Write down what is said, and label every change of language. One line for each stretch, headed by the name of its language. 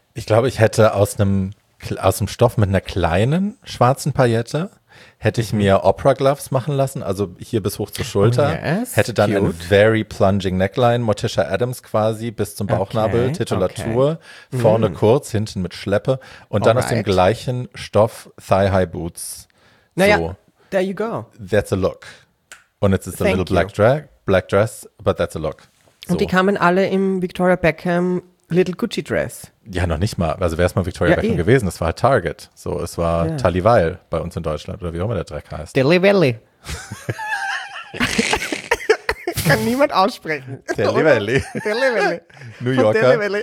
German: Ich glaube, ich hätte aus einem Stoff mit einer kleinen schwarzen Paillette, hätte ich mir Opera-Gloves machen lassen, also hier bis hoch zur Schulter.
English: Oh yes,
German: hätte dann eine
English: very plunging
German: Neckline, Morticia Adams quasi, bis zum Bauchnabel, okay, Titulatur, okay. Vorne kurz, hinten mit Schleppe. Und dann aus dem gleichen Stoff Thigh-High-Boots.
English: Naja, so, there you go. That's a look. Und it's a little black dress, but that's a look.
German: So. Und die kamen alle im Victoria Beckham Little Gucci Dress. Ja, noch nicht mal. Also wäre es mal Victoria Beckham gewesen. Das war halt Target. So, es war Tally Weil bei uns in Deutschland oder wie auch immer der Dreck heißt. Dilly Valley. Kann niemand aussprechen. Dilly Valley. New Yorker.